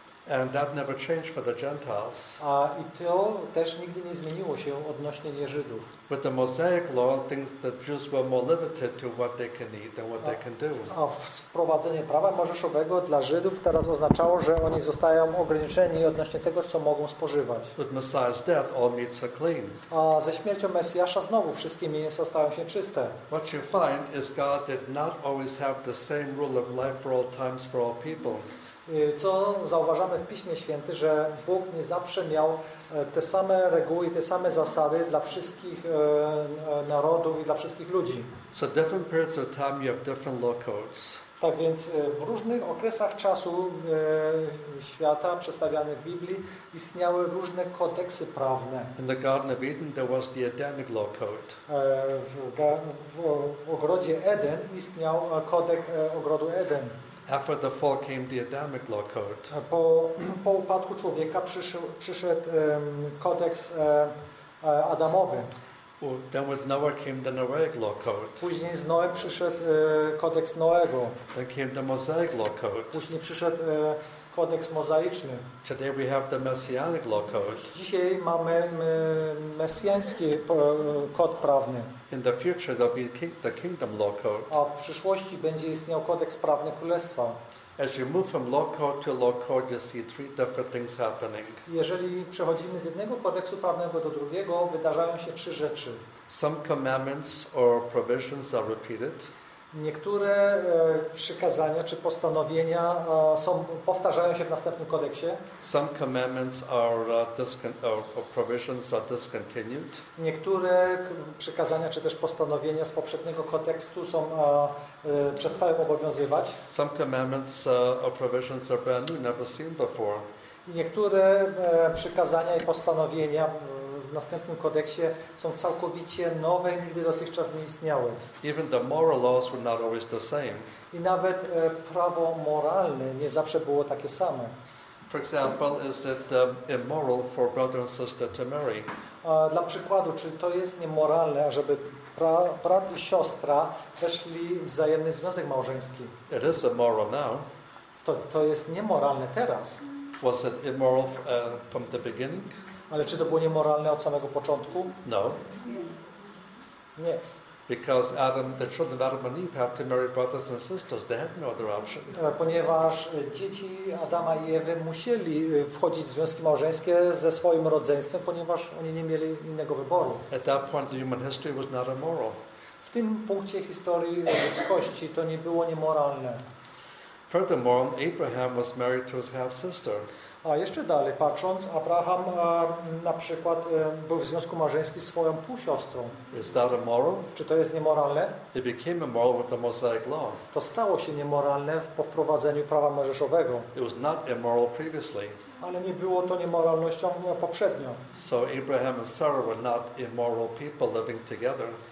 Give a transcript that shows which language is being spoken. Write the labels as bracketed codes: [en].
[en] And that never changed for the Gentiles. [pl] A i to też nigdy nie zmieniło się odnośnie nie Żydów. [en] With the Mosaic law, things the Jews were more limited to what they can eat and what they can do. [pl] A wprowadzenie prawa Mojżeszowego dla Żydów teraz oznaczało, że oni zostają ograniczeni odnośnie tego, co mogą spożywać. [en] With Messiah's death, all meats are clean. [pl] A ze śmiercią Mesjasza znowu wszystkie mięsa stają się czyste. [en] What you find is God did not always have the same rule of life for all times for all people. [pl] Co zauważamy w Piśmie Świętym, że Bóg nie zawsze miał te same reguły i te same zasady dla wszystkich narodów i dla wszystkich ludzi. [en] So different periods of time you have different law codes. [pl] Tak więc w różnych okresach czasu świata przedstawianych w Biblii istniały różne kodeksy prawne. [en] In the Garden of Eden there was the Edenic law code. [pl] W ogrodzie Eden istniał kodek ogrodu Eden. [en] After the fall came the Adamic law code. [pl] Po upadku człowieka przyszedł kodeks Adamowy. [en] Then with Noah came the Noahic law code. [pl] Później z Noe przyszedł kodeks Noego. [en] Then came the Mosaic law code. [pl] Później przyszedł kodeks mozaiczny. [en] Today we have the Messianic law code. [pl] Dzisiaj mamy mesjański kod prawny. [en] In the future there'll be the kingdom law code. [pl] A w przyszłości będzie istniał kodeks prawny królestwa. [en] As you move from law code to law code, you see three different things happening. [pl] Jeżeli przechodzimy z jednego kodeksu prawnego do drugiego, wydarzają się trzy rzeczy. [en] Some commandments or provisions are repeated. [pl] Niektóre przykazania czy postanowienia powtarzają się w następnym kodeksie. [en] Some commandments or provisions are discontinued. [pl] Niektóre przykazania czy też postanowienia z poprzedniego kodeksu są przestają obowiązywać. [en] Some commandments or provisions are brand new, never seen before. [pl] Niektóre przykazania i postanowienia w następnym kodeksie są całkowicie nowe, nigdy dotychczas nie istniały. [en] Even the moral laws were not always the same. [pl] I nawet prawo moralne nie zawsze było takie same. [en] For example, is it immoral for brother and sister to marry? [pl] Dla przykładu, czy to jest niemoralne, żeby brat i siostra weszli w wzajemny związek małżeński? [en] It is immoral now. [pl] To jest niemoralne teraz. [en] Was it immoral from the beginning? [pl] Ale czy to było niemoralne od samego początku? [en] No. [pl] Nie. [en] Because Adam, the children of Adam and Eve had to marry brothers and sisters. They had no other option. [pl] Ponieważ dzieci Adama i Ewy musieli wchodzić w związki małżeńskie ze swoim rodzeństwem, ponieważ oni nie mieli innego wyboru. [en] At that point, human history was not immoral. [pl] W tym punkcie historii ludzkości to nie było niemoralne. [en] Furthermore, Abraham was married to his half sister. [pl] A jeszcze dalej patrząc, Abraham na przykład był w związku małżeńskim z swoją półsiostrą. [en] Is that immoral? [pl] Czy to jest niemoralne? [en] It became immoral with the Mosaic law. [pl] To stało się niemoralne po wprowadzeniu prawa mojżeszowego. [en] It was not immoral previously. [pl] Ale nie było to niemoralnością poprzednio. [en] So Abraham and Sarah were not immoral people living together.